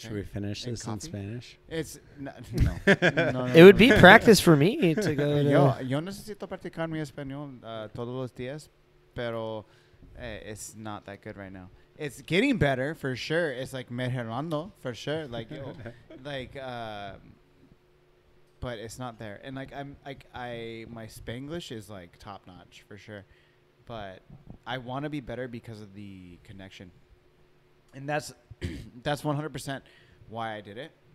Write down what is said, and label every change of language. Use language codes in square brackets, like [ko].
[en] Should we finish this in Spanish? It's no. It would be practice for me to go. [es] Yo necesito practicar mi español todos los días, pero [en] it's not that good right now. It's getting better for sure. It's like [es] mejorando [en] for sure. Like, yo, like. But it's not there. And, like, my Spanglish is, like, top-notch for sure. But I want to be better because of the connection. And that's 100% why I did it.